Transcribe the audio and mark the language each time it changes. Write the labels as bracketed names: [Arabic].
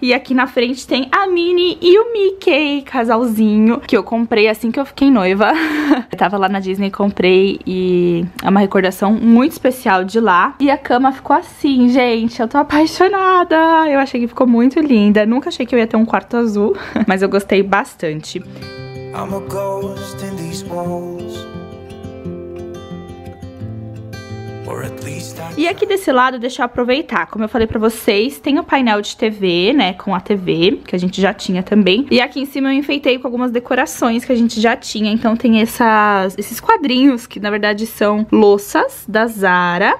[Portuguese] E aqui na frente tem a Minnie e o Mickey, casalzinho, que eu comprei assim que eu fiquei noiva. Eu tava lá na Disney, comprei e é uma recordação muito especial de lá. E a cama ficou assim, gente, eu tô apaixonada. Eu achei que ficou muito linda. Nunca achei que eu ia ter um quarto azul, mas eu gostei bastante. [English] I'm a ghost in these walls. [Portuguese] E aqui desse lado, deixa eu aproveitar. Como eu falei pra vocês, tem o painel de TV, né, com a TV, que a gente já tinha também. E aqui em cima eu enfeitei com algumas decorações que a gente já tinha. Então tem esses quadrinhos, que na verdade são louças da Zara.